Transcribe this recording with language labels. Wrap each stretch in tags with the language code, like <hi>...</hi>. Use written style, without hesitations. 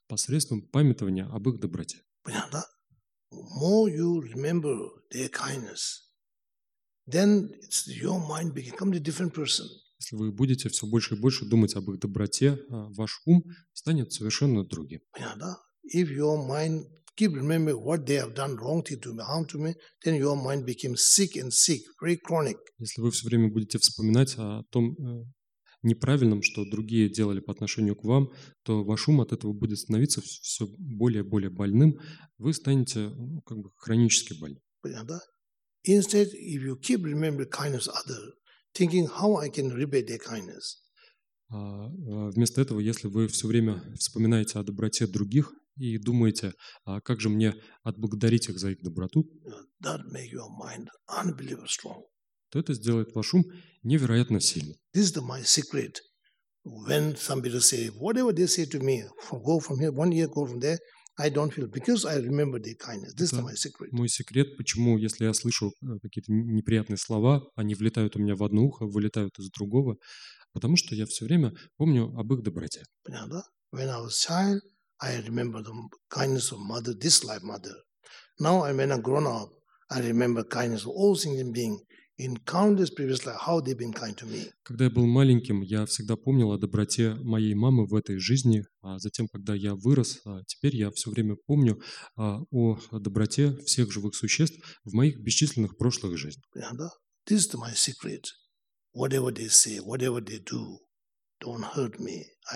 <ru>Посредством памятования об их доброте. Понятно?</ru> <en>More you remember their kindness. Then it's your mind becomes a different person.</en> <ru>Если вы будете все больше и больше думать об их доброте, ваш ум станет совершенно другим. Понятно?</ru> <en>If your mind keep remembering what they have done wrong to me, harm to me, then your mind became sick and sick, very chronic.</en> <ru>Если вы все время будете вспоминать о том неправильном, что другие делали по отношению к вам, то ваш ум от этого будет становиться все более и более больным. Вы станете как бы хронически больным. Понятно?</ru> <en>Instead, if you keep remembering kindness of others, thinking how I can repay their kindness.</en> <ru>Вместо этого, если вы все время вспоминаете о доброте других и думаете, как же мне отблагодарить их за их доброту,</ru> <en>that make your mind unbelievably strong.</en> <ru>То это сделает ваш ум невероятно сильным.</ru> <en>This is my secret. When somebody say whatever they say to me, go from here, one year, go from there. I don't feel because I remember their kindness. This is my secret.</en> <ru>Мой секрет, почему, если я слышу какие-то неприятные слова, они влетают у меня в одно ухо, вылетают из другого, потому что я все время помню об их доброте. Понятно?</ru> <en>When I was child, I remember the kindness of mother, this life mother. Now, when I'm grown up, I remember kindness of all sentient beings. In countless previous life, how they've been kind to me.</en> <ru>Когда я был маленьким, я всегда помнил о доброте моей мамы в этой жизни, а затем, когда я вырос, теперь я все время помню о доброте всех живых существ в моих бесчисленных прошлых жизнях.</ru> <en>Yeah, this is my secret. Whatever they say, whatever they do, don't hurt me.</en>